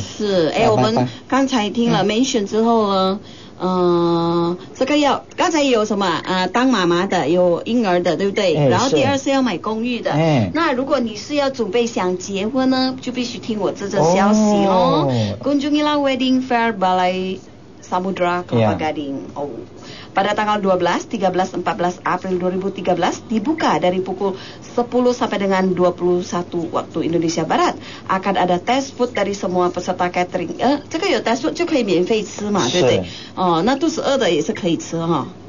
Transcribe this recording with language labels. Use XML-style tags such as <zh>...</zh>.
<zh>是，哎，我们刚才听了mention之后呢，这个要刚才有什么当妈妈的，有婴儿的，对不对？然后第二是要买公寓的。那如果你是要准备想结婚呢，就必须听我这则消息喽。</zh> <id>Kunjungilah wedding fair Balai Samudra Kelapa Gading. Pada tanggal 12, 13, 14 April 2013 dibuka dari pukul 10 sampai dengan 21 waktu Indonesia Barat. Akan ada test food dari semua peserta catering. Eh, ini ada test food,</id> <zh>就可以免费吃嘛, 对不对? Oh, 那肚子饿的也是可以吃, huh?</zh>